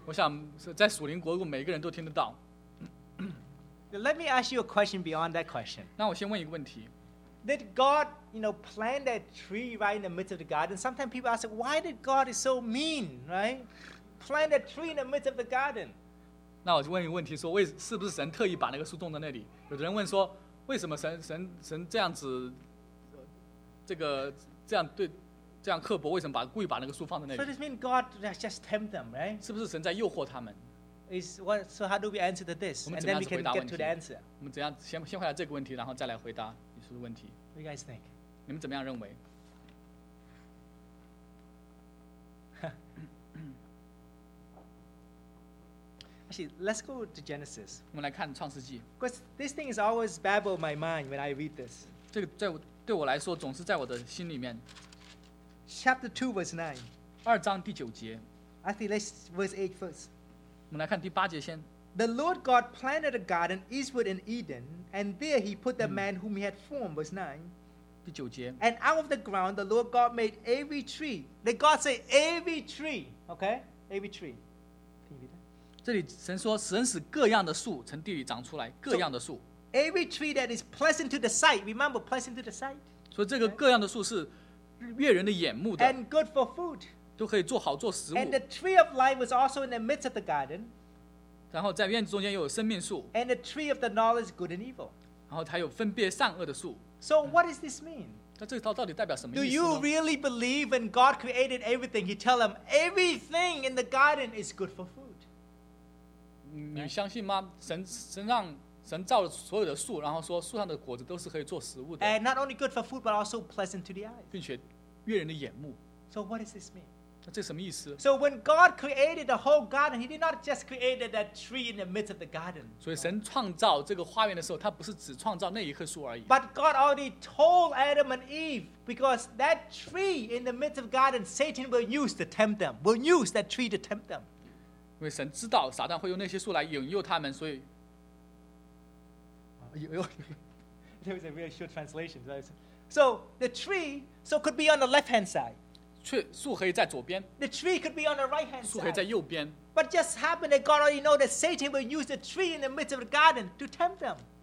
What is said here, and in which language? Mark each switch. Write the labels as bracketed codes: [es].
[zh] 我想在属灵国度，每个人都听得到。 [en] Let me ask you a question beyond that question. [zh] 那我先问一个问题。 [en] Did God, you know, plant that tree right in the midst of the garden? Sometimes people ask, why did God is so mean, right? Plant that tree in the midst of the garden. [zh] 那我就问一个问题，说为是不是神特意把那个树种在那里？有的人问说。为什么神这样子，这个这样对这样刻薄？为什么把故意把那个树放在那里 [en] ？So this means God just tempt them, right? [zh] 是不是神在诱惑他们 [en] ？Is what? So how do we answer to this? [zh] 我们怎样回答问题 [en] ？To the answer. [zh] 我们怎样先回答这个问题，然后再来回答你说的问题 [en] ？What do you guys think? [zh] 你们怎么样认为 [en] Actually, let's go to Genesis. [zh] 我们来看创世纪。 [en] Because this thing is always babble my mind when I read this. [zh] 这个对我来说总是在我的心里面。 [en] Chapter 2, verse 9. [zh] 二章第九节。 [en] I think let's verse 8 first. [zh] 我们来看第八节先。 [en] The Lord God planted a garden eastward in Eden, and there he put the man whom he had formed, verse 9. [zh] 第九节。 [en] And out of the ground, the Lord God made every tree. Let God say every tree, okay? Every tree. [zh] 这里神说，神使各样的树从地里长出来，各样的树。 [en] So, every tree that is pleasant to the sight, remember pleasant to the sight. [zh] 所以这个各样的树是悦人的眼目的。 [en] And good for food. [zh] 都可以做好做食物。 [en] And the tree of life was also in the midst of the garden. [zh] 然后在院子中间又有生命树。 [en] And the tree of the knowledge good and evil. [zh] 然后还有分别善恶的树。 [en] So what does this mean? [zh] 那这套到底代表什么意思 [en] 呢 ？Do you really believe when God created everything? He tell them everything in the garden is good for food. [zh] 你相信吗？神让神造了所有的树，然后说树上的果子都是可以做食物的。 [en] And not only good for food, but also pleasant to the eyes. [zh] 并且悦人的眼目。 [en] So what does this mean? [zh] 那这什么意思 [en] ？So when God created the whole garden, He did not just create that tree in the midst of the garden. [zh] 所以神创造这个花园的时候，他不是只创造那一棵树而已。 [en] But God already told Adam and Eve because that tree in the midst of the garden, Satan will use to tempt them. Will use that tree to tempt them. [zh] 因为神知道撒旦会用那些树来引诱他们，所以， [en] There was a really short translation. So the tree, so could be on the left hand side. [zh] 树可以在左边。 [en] The tree could be on the right hand side. [zh] 树可以在右边。 [en] But just happened that God already know that Satan will use the tree in the midst of the garden to tempt them.